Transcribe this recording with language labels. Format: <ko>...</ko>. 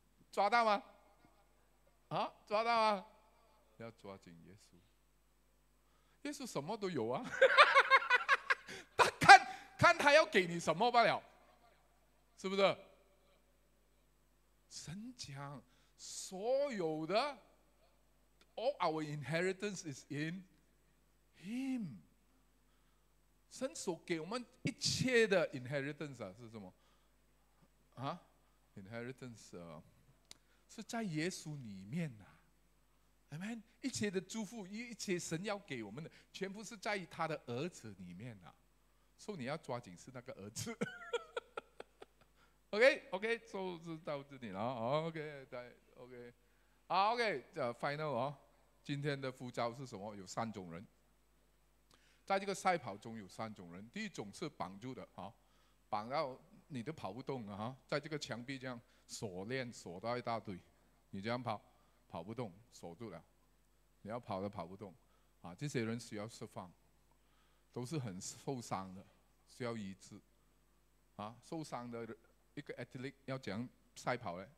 <zh>抓到吗？啊，抓到吗？要抓紧耶稣。耶稣什么都有啊。他看看他要给你什么罢了。是不是？神讲所有的</zh> <en>All our inheritance is in Him。</en> <zh>神所给我们一切的 inheritance、啊、是什么、啊、inheritance、啊、是在耶稣里面、啊、Amen? 一切的祝福，一切神要给我们的，全部是在他的儿子里面、啊、所以你要抓紧是那个儿子。 OK OK， 就、</zh> <en>so,</en> <zh>到这里了。 OK OK OK final、哦、今天的呼召是什么？有三种人，在这个赛跑中有三种人。第一种是绑住的、哦、绑到你都跑不动了、哦、在这个墙壁这样锁链锁到一大堆，你这样跑跑不动，锁住了，你要跑都跑不动、啊、这些人需要释放，都是很受伤的，需要医治、啊、受伤的一个 athlete 要怎样赛跑呢？</zh>